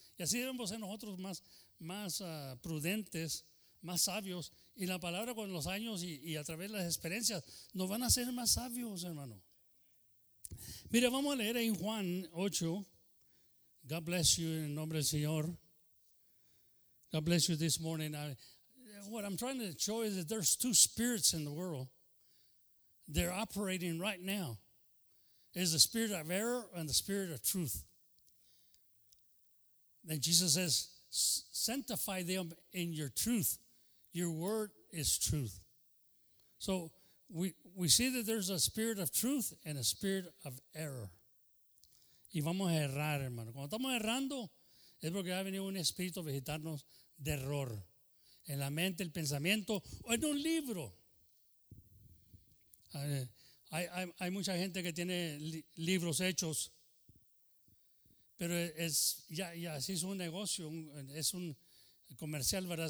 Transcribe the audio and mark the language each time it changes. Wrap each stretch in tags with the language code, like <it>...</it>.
<es>Y así debemos ser nosotros más prudentes, más sabios. Y la palabra, con los años y a través de las experiencias, nos van a hacer más sabios, hermano. Mira, vamos a leer en Juan 8.</es> <en>God bless you</en> <es>en nombre del Señor.</es> <en>God bless you this morning. What I'm trying to show is that there's two spirits in the world. They're operating right now. It's the spirit of error and the spirit of truth. Then Jesus says, sanctify them in your truth. Your word is truth. So we see that there's a spirit of truth and a spirit of error.</en> <es>Y vamos a errar, hermano. Cuando estamos errando, es porque ha venido un espíritu a visitarnos de error, en la mente, el pensamiento, o en un libro. Hay mucha gente que tiene libros hechos, pero es ya se hizo un negocio, es un comercial, ¿verdad?</es>